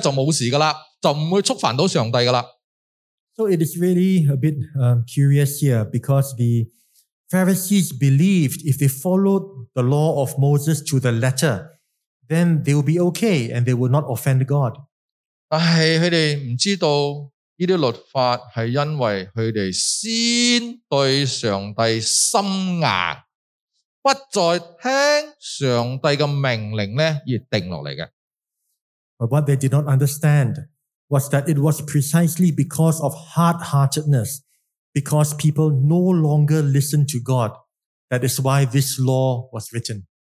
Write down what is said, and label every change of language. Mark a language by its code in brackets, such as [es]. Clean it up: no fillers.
[zh] 法利賽人以為他們按照摩西的律法去行事就沒事了，就不會觸犯到上帝了。 [en] So it is really a bit curious here because the Pharisees believed if they followed the law of Moses to the letter, then they will be okay and they will not offend God. [zh] 但是他们不知道这些律法是因为他们先对上帝心硬，不再听上帝的命令而定下来的。 [en] But what they did not understand was that it was precisely because of hard-heartedness, because people no longer listen to God, that is why this law was written.